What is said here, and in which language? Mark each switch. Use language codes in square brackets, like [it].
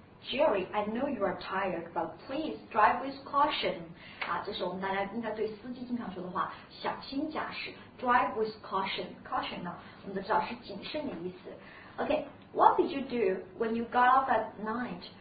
[en] Jerry, I know you are tired, but please drive with caution. [zh] 啊，这是我们大家应该对司机经常说的话，小心驾驶。 [en] Drive with caution. [zh] Caution 呢，我们都知道是谨慎的意思。OK。 [en] What did you do when you got off at night?